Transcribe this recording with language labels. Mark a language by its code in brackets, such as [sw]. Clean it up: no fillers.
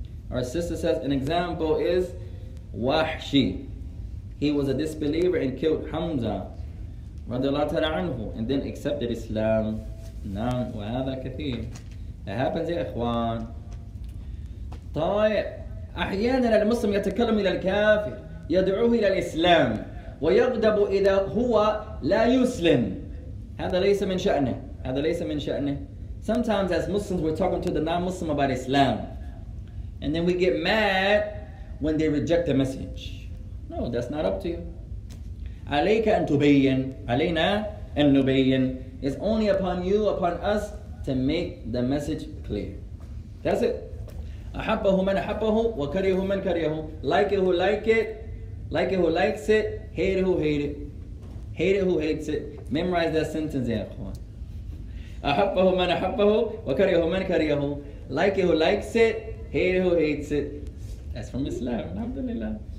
[en] Our sister says an example is Wahshi. He was a disbeliever and killed Hamza radiallahu ta'ala anhu and then accepted Islam. [ar] Naam, wa hadha kathir. [en] That happens, ya ikhwan. [ar] طيب احيانا المسلم يتكلم الى الكافر يدعوه الى الاسلام ويغضب اذا هو لا يسلم. هذا ليس من شأنه. هذا ليس من شأنه. [en] Sometimes as Muslims we're talking to the non-Muslim about Islam and then we get mad when they reject the message. No, that's not up to you. [ar] عليك ان تبين. علينا ان نبين. [en] It's only upon you, upon us to make the message clear. That's it. [ar] أحبه من أحبه وكره من كرهه. [en] Like it who like it. Like it who likes it. Hate it who hate it. Hate it who hates it. Memorize that sentence, يا أخوان. [ar] أحبه من أحبه وكره من كرهه. [en] Like it who likes it. Hate it who hates it. That's from Islam. الحمد لله.